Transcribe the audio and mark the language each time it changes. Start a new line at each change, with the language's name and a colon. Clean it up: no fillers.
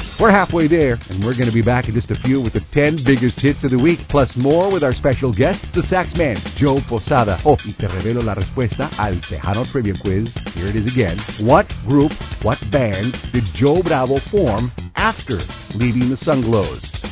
English: We're halfway there, and we're going to be back in just a few with the 10 biggest hits of the week, plus more with our special guest, the sax man, Joe Posada.
Spanish: Oh, y te revelo la respuesta al Tejano Trivia Quiz.
English: Here it is again. What group, what band, did Joe Bravo form after leaving the Sunglows?